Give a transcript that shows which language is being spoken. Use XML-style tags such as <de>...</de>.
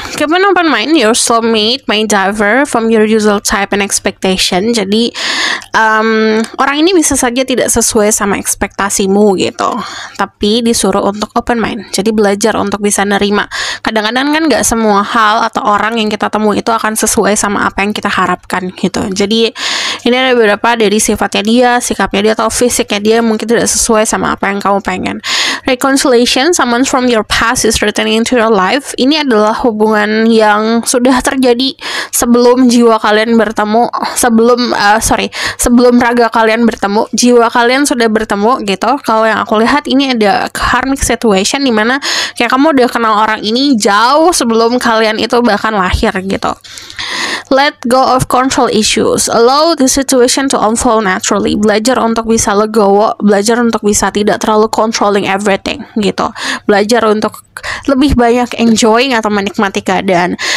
<en>Keep an open mind, your soulmate may differ from your usual type and expectation.</en> <id>Jadi orang ini bisa saja tidak sesuai sama ekspektasimu gitu, tapi disuruh untuk open mind. Jadi belajar untuk bisa nerima. Kadang-kadang kan gak semua hal atau orang yang kita temui itu akan sesuai sama apa yang kita harapkan gitu. Jadi ini ada beberapa dari sifatnya dia, sikapnya dia atau fisiknya dia mungkin tidak sesuai sama apa yang kamu pengen.</id> <en>Reconciliation, someone from your past is returning into your life.</en> <id>Ini adalah hubungan yang sudah terjadi sebelum jiwa kalian bertemu, sebelum raga kalian bertemu, jiwa kalian sudah bertemu gitu. Kalau yang aku lihat ini ada karmic situation di mana kayak kamu udah kenal orang ini jauh sebelum kalian itu bahkan lahir gitu.</id> <en>Let go of control issues. Allow the situation to unfold naturally.</en> <id>Belajar untuk bisa legowo, belajar untuk bisa tidak terlalu</id> <en>controlling everything</en> <id>gitu. Belajar untuk lebih banyak enjoying atau menikmati keadaan.</id>